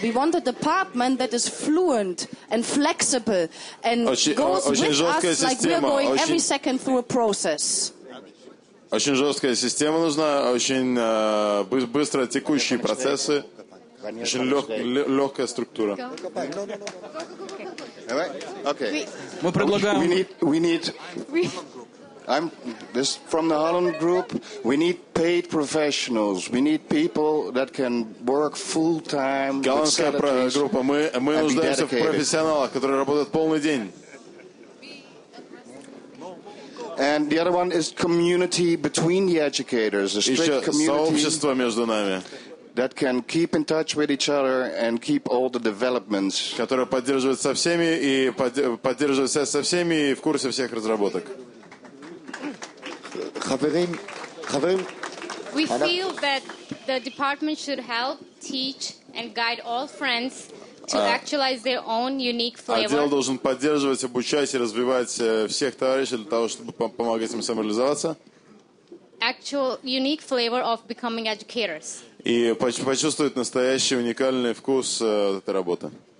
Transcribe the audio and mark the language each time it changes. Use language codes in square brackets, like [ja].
[en] We want a department that is fluent and flexible and goes with us like we're going every second through a process. [ru] Очень жесткая система нужна, очень быстро текущие процессы, очень легкая структура. Okay. Мы предлагаем. [en] We need. I'm this from the Holland Group. We need paid professionals. We need people that can work full time. [ru] Голландская группа. Мы нуждаемся в профессионалах, которые работают полный день. [en] And the other one is community between the educators, a strict community. [ru] Сообщество между нами. [en] That can keep in touch with each other and keep all the developments. [ru] Которые поддерживают со всеми и поддерживают со всеми и в курсе всех разработок. [he] חברים, [en] we feel that the department should help teach and guide all friends to actualize their own unique flavor. [ru] Отдел должен поддерживать, обучать и развивать всех товарищей для того, чтобы помогать им самореализоваться. [en] Actual unique flavor of becoming educators. [ru] И почувствовать настоящий уникальный вкус этой работы.